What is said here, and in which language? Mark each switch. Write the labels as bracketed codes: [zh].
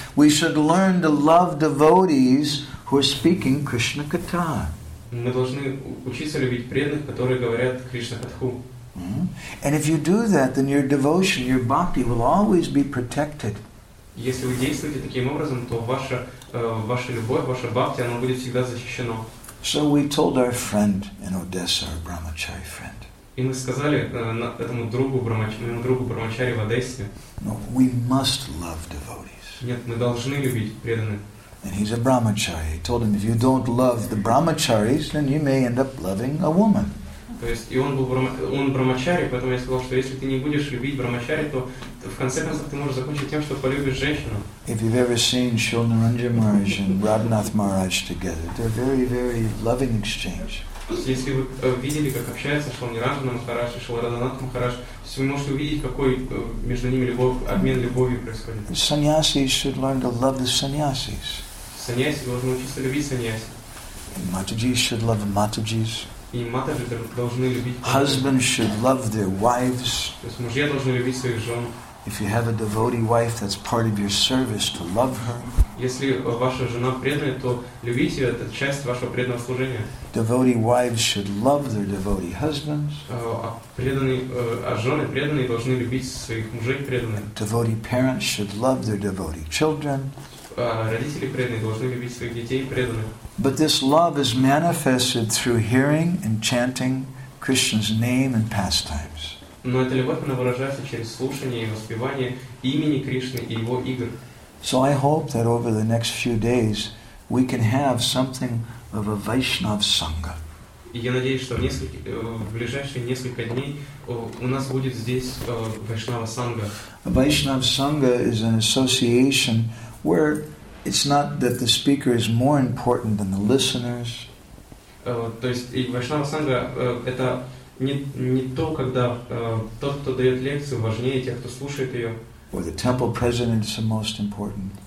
[en] We should learn to love devotees who are speaking Krishna katha. [ru] Мы должны учиться любить преданных, которые говорят Кришна катху. [en] And if you do that, then your devotion, your bhakti, will always be protected. [ru] Если вы действуете таким образом, то ваша любовь, ваша бхакти, она будет всегда защищена. [en] So we told our friend in Odessa, our brahmachari friend. [ru] И мы сказали этому другу брахмачари в Одессе. [en] No, we must love devotees. [ru] Нет, мы должны любить преданных. [en] And he's a brahmachari. He told him, if you don't love the brahmacharis, then you may end up loving a woman. [ru] То есть, и он брахмачари, поэтому я сказал, что если ты не будешь любить брахмачари, то в конце концов ты можешь закончить тем, что полюбишь женщину. [en] If you've ever seen Shri Naranja Maharaj and Radhanath Maharaj together, they're very, very loving exchange. [ru] Если вы видели, как общаются Шри Наранджа Махарадж и Шри Радханат Махарадж, вы можете увидеть, какой между ними обмен любовью происходит. [en] Sannyasis should learn to love the sannyasis. [ru] Саньяси должны учиться любить саньяси. [en] Матаджис should love the матаджис. [ru] И матаджи должны любить. [en] Husbands should love their wives. [ru] То есть мужья должны любить своих жен. [en] If you have a devotee wife, that's part of your service to love her. [ru] Если ваша жена преданная, то любите ее, это часть вашего преданного служения. [en] Devotee wives should love their devotee husbands. [ru] Жены преданные должны любить своих мужей преданных. [en] Devotee parents should love their devotee children. [ru] Родители преданные должны любить своих детей преданных. [en] But this love is manifested through hearing and chanting Krishna's name and pastimes. [ru] Но эта любовь выражается через слушание и воспевание имени Кришны и его игр. [en] So I hope that over the next few days we can have something of a Vaishnav sangha. [ru] Я надеюсь, что в ближайшие несколько дней у нас будет здесь Вайшнава санга. [en] A Vaishnav sangha is an association where it's not that the speaker is more important than the listeners. [ru] То есть Вайшнава санга это не то, когда тот, кто дает лекцию, важнее тех, кто слушает ее. [en] Or the temple president is the most important.